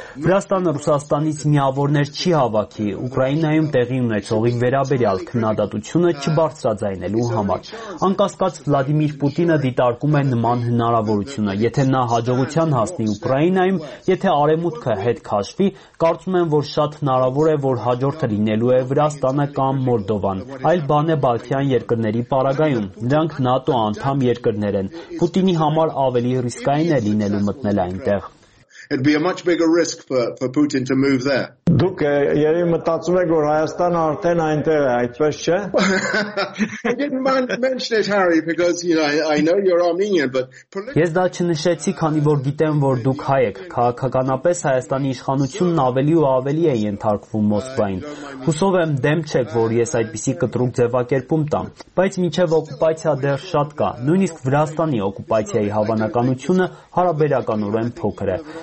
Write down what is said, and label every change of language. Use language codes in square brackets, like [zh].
[hy] Վրաստանը Ռուսաստանից միավորներ չի հավաքի Ուկրաինայում տեղի ունեցողի վերաբերյալ քննադատությունը չբարձրաձայնելու համար։ Անկասկած Վլադիմիր Պուտինը դիտարկում է նման հնարավորությունը, եթե նա հաջողության հասնի Ուկրաինայում, եթե արևմուտքը հետ քաշվի, կարծում եմ, որ շատ հնարավոր է, որ հաջորդը լինելու է Վրաստանը կամ Մորդովան, այլ բան է Բալթյան երկրների պարագայում, նրանք ՆԱՏՕ անդամ երկրներ են, Պուտինի համար ավելի ռիսկային է լինելու մտնել այնտեղ։ [en] It'd be a much bigger risk for Putin to move there. [hy] Դուք երի մտածում եք, որ Հայաստանը արդեն այնտեղ է, այդպես չէ? [en] I didn't mind mention it, Harry, because you know I know you're Armenian, but [hy] ես դա չնշեցի, քանի որ գիտեմ, որ դուք հայ եք։ Քաղաքականապես Հայաստանի իշխանությունն ավելի ու ավելի է ենթարկվում Մոսկվային։ Հուսով եմ դեմ չեք, որ ես այդպիսի կտրուկ ձևակերպում տամ, բայց մինչև օկուպացիա դեռ շատ կա, նույնիսկ Վրաստանի օկուպացիայի հավանականությունը հարաբերականորեն փոքր է։